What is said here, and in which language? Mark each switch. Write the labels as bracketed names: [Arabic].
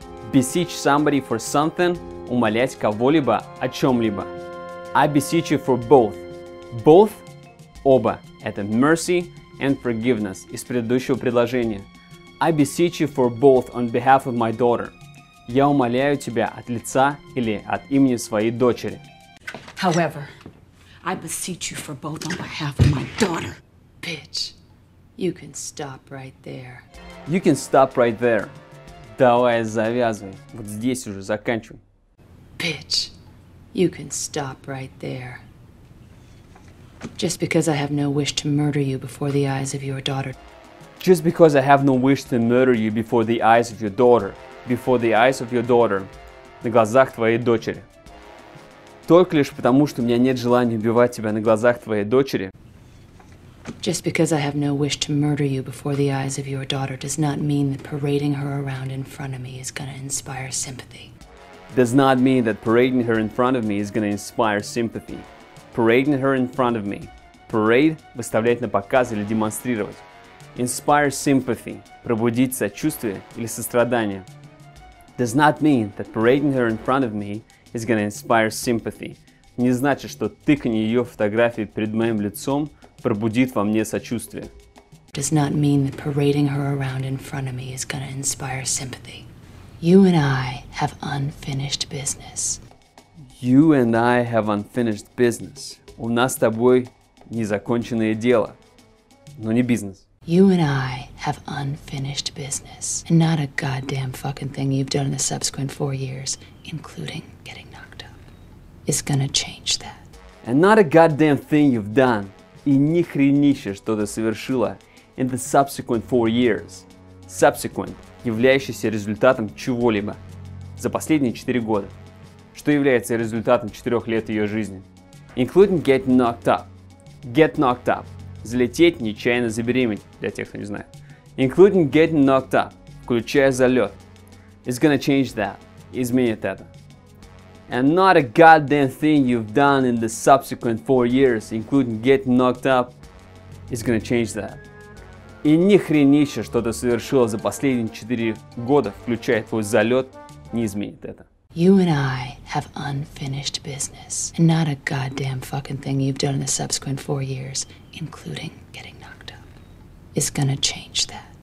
[English] Beseech somebody for something, [Russian] умолять кого-либо о чем-либо. [English] I beseech you for both. Both, [Russian] оба, это [English] mercy and forgiveness [Russian] из предыдущего предложения. [English] I beseech you for both on behalf of my daughter. [Russian] Я умоляю тебя от лица или от имени своей дочери. [English] However, I beseech you for both on behalf of my daughter. Bitch, you can stop right there. You can stop right there. [Russian] Давай, завязывай. Вот здесь уже заканчивай. [English] Bitch, you can stop right there. Just because I have no wish to murder you before the eyes of your daughter. Just because I have no wish to murder you before the eyes of your daughter. Before the eyes of your daughter. [Russian] На глазах твоей дочери. Только лишь потому, что у меня нет желания убивать тебя на глазах твоей дочери. [English] Just because I have no wish to murder you before the eyes of your daughter does not mean that parading her around in front of me is going to inspire sympathy. Does not mean that parading her in front of me is going to inspire sympathy. parading her in front of me. [Russian] Parade – выставлять на показ или демонстрировать. [English] Inspire sympathy [Russian] – пробудить сочувствие или сострадание. [English] Does not mean that parading her in front of me is going to inspire sympathy. [Russian] Не значит, что тыканье ее фотографии перед моим лицом пробудит во мне сочувствие. [English] Does not mean that parading her around in front of me is going to inspire sympathy. You and I have unfinished business. You and I have unfinished business. [Russian] У нас с тобой незаконченное дело, но не бизнес. [English] You and I have unfinished business. And not a goddamn fucking thing you've done in the subsequent 4 years, including getting knocked up, is gonna change that. And not a goddamn thing you've done, [Russian] и ни хренище, что ты совершила, [English] in the subsequent 4 years. [Russian] Subsequent, являющийся результатом чего-либо. За последние 4 года. Что является результатом 4 лет ее жизни. [English] Including getting knocked up. Get knocked up. [Russian] Залететь, нечаянно забеременеть, для тех, кто не знает. [English] Including getting knocked up, [Russian] включая залет. [English] It's gonna change that. [Russian] Изменит это. [English] And not a goddamn thing you've done in the subsequent 4 years, including getting knocked up, is gonna change that. [Russian] И ни хренища, что ты совершила за последние 4 года, включая твой залет, не изменит это. [English] You and I have unfinished business. And not a goddamn fucking thing you've done in the subsequent 4 years, including getting knocked up, is gonna change that.